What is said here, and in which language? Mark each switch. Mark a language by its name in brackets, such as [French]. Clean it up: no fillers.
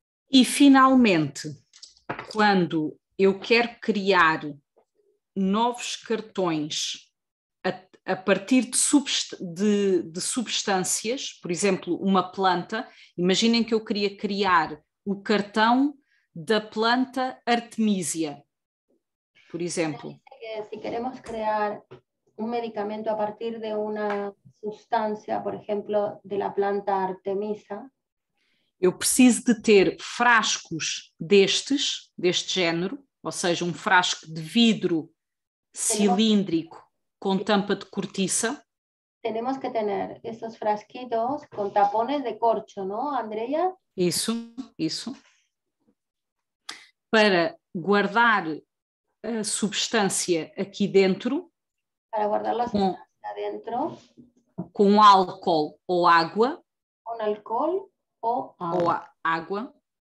[Portuguese] E finalmente, quando eu quero criar novos cartões a partir de substâncias, por exemplo, uma planta, imaginem que eu queria criar o cartão da planta Artemisia, por exemplo. [Spanish] Se queremos criar un medicamento a partir de una sustancia, por ejemplo, de la planta Artemisa. [Portuguese] Eu preciso de ter frascos destes, deste género, ou seja, um frasco de vidro cilíndrico com tampa de cortiça. [Spanish] Tenemos que tener esos frasquitos con tapones de corcho, ¿no, Andrea? [Portuguese] Isso, isso. Para guardar a substância aqui dentro. Para guardá-las dentro. Com álcool ou água. Com álcool ou água. Ou água.